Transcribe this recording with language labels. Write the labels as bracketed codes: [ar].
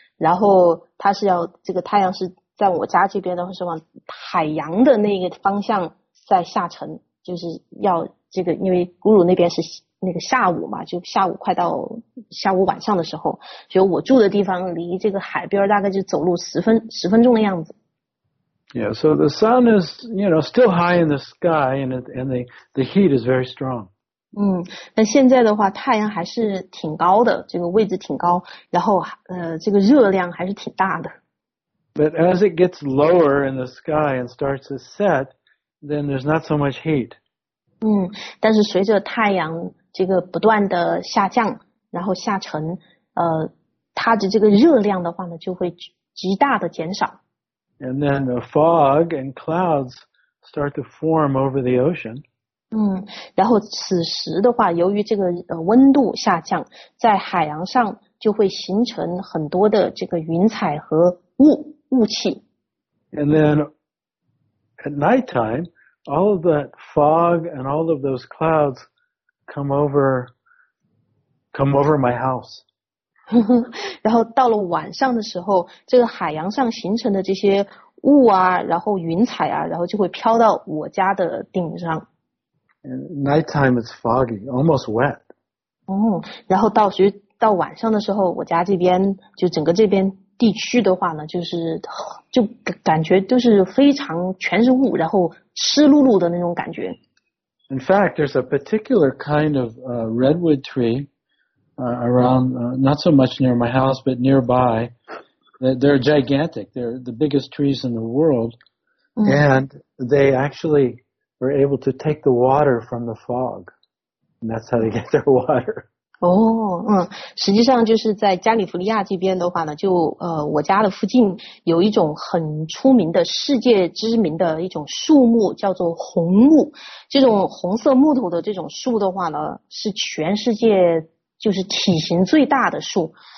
[zh] 然后它是要这个太阳是在我家这边的话是往海洋的那个方向在下沉，就是要这个因为咕噜那边是那个下午嘛，就下午快到下午晚上的时候，就我住的地方离这个海边大概就走路十分钟的样子。 [en] Yeah, so the sun is, you know, still high in the sky, and the heat is very strong. [zh] 但现在的话，太阳还是挺高的，这个位置挺高，然后这个热量还是挺大的。 [en] But as it gets lower in the sky and starts to set, then there's not so much heat. [zh] 但是随着太阳这个不断的下降然后下沉它的这个热量的话呢就会极大的减少。 [en] And then the fog and clouds start to form over the ocean. [zh] 然后此时的话由于这个温度下降在海洋上就会形成很多的这个云彩和雾气。 [en] And then at night time,all of that fog and all of those clouds come over my house. [zh] 然后到了晚上的时候，这个海洋上形成的这些雾啊，然后云彩啊，然后就会飘到我家的顶上。 [en] And nighttime it's foggy, almost wet. [zh] 然后到晚上的时候，我家这边就整个这边地区的话呢，就感觉都是非常全是雾，然后湿漉漉的那种感觉。 [en] In fact, there's a particular kind of redwood tree around, not so much near my house, but nearby. They're gigantic. They're the biggest trees in the world. And they actually were able to take the water from the fog. And that's how they get their water. [zh] 哦，嗯，实际上就是在加利福尼亚这边的话呢，就我家的附近有一种很出名的、世界知名的一种树木，叫做红木。这种红色木头的这种树的话呢，是全世界就是体型最大的树。